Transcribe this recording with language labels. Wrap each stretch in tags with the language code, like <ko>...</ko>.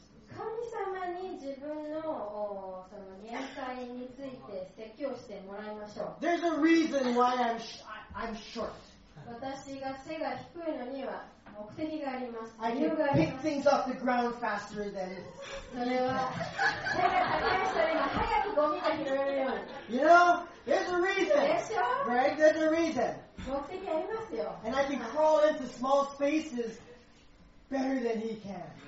<ja>神様に自分のその限界について説教してもらいましょう。</ja> <en>There's a reason why I'm short.</en> <ja>私が背が低いのには目的があります。</ja> <en>I can pick things off the ground faster than.</en> <ja>それは背が高い人には早くゴミが拾えるように。</ja> <en>You know, there's a reason.</en> <ja>でしょ</ja> <en>？Right, there's a reason.</en> <ja>目的ありますよ。</ja> <en>And I can crawl into small spaces better than he can.</en>